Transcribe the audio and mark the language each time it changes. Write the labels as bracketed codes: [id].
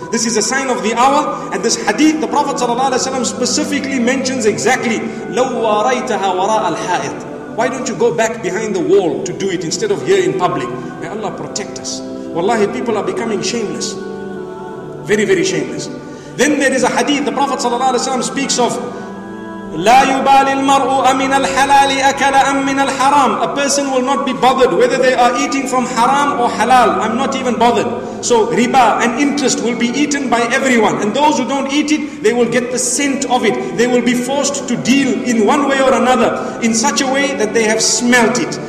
[en] This is a sign of the hour. And this hadith, the Prophet ﷺ specifically mentions exactly, [ar] لَوْ وَرَيْتَهَا وَرَاءَ الْحَائِطِ. [en] Why don't you go back behind the wall to do it instead of here in public? May Allah protect us. Wallahi, people are becoming shameless. Very, very shameless. Then there is a hadith, the Prophet ﷺ speaks of, [ar] لَا يُبَالِ الْمَرْءُ أَمِنَ الْحَلَالِ أَكَلَ أَمْ مِنَ الْحَرَامِ. [en] A person will not be bothered whether they are eating from haram or halal. I'm not even bothered. So riba and interest will be eaten by everyone. And those who don't eat it, they will get the scent of it. They will be forced to deal in one way or another in such a way that they have smelt it.